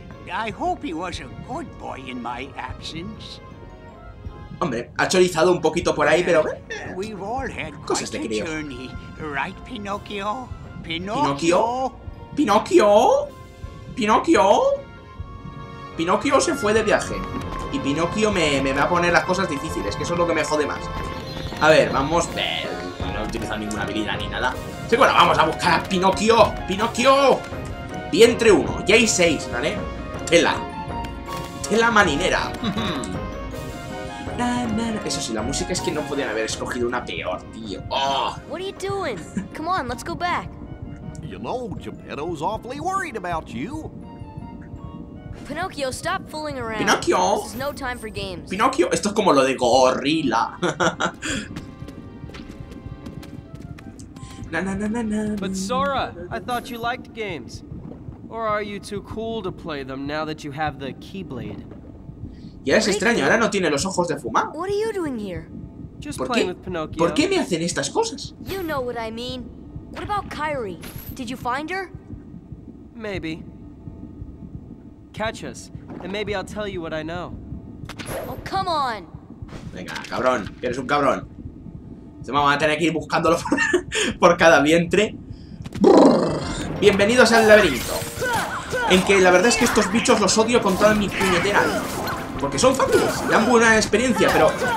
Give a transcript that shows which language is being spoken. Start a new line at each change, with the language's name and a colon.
English: I hope he was a good boy in my absence.
Spanish: Hombre, ha chorizado un poquito por ahí, pero...
English: We've all had
Spanish: cosas de crío.
English: Right, Pinocchio? Pinocchio? Pinocchio? Pinocchio?
Spanish: Pinocchio se fue de viaje. Y Pinocchio me va a poner las cosas difíciles, que eso es lo que me jode más. A ver, vamos... no he utilizado ninguna habilidad ni nada. Sí, bueno, vamos a buscar a Pinocchio. ¡Pinocchio! Vientre 1, J6, ¿vale? Tela. Tela marinera. Eso sí, la música es que no podían haber escogido una peor, tío.
English: Oh. What are you doing? Come on, let's go back. You know, Geppetto's awfully worried about you. Pinocchio, stop fooling around. Pinocchio. This is no time for games.
Spanish: Pinocchio, esto es como lo de gorila.
English: But Sora, I thought you liked games. Or are you too cool to play them now that you have the Keyblade?
Spanish: Ya es extraño, ahora no tiene los ojos de fuma.
English: What are you doing here? Just playing with Pinocchio.
Spanish: ¿Por qué me hacen estas cosas?
English: You know what I mean. What about Kairi? Did you find her? Maybe. Catch us, and maybe I'll tell you what I know. Oh, come on.
Spanish: Venga, cabrón, eres un cabrón. Se me van a tener que ir buscándolo por cada vientre. Bienvenidos al laberinto. En que la verdad es que estos bichos los odio con toda mi puñetera. Porque son fáciles, dan buena experiencia, pero...